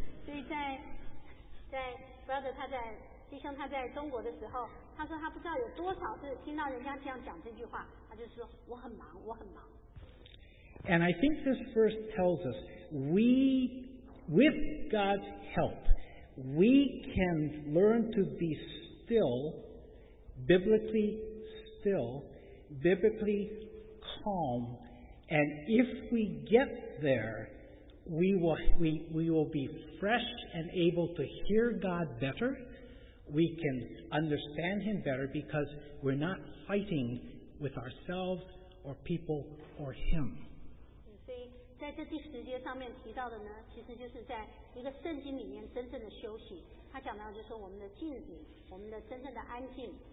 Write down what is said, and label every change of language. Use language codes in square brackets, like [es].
[zh] 所以在 brother 他在弟兄他在中国的时候，他说他不知道有多少次听到人家这样讲这句话，他就说我很忙。 [en] And I think this verse tells us we, with God's help, we can learn to be still, biblically calm. And if we get there, we will be fresh and able to hear God better. We can understand Him better because we're not fighting with ourselves or people or Him. [zh] 在这第十节上面提到的呢，其实就是在一个圣经里面真正的休息，他讲到就是我们的静止，我们的真正的安静。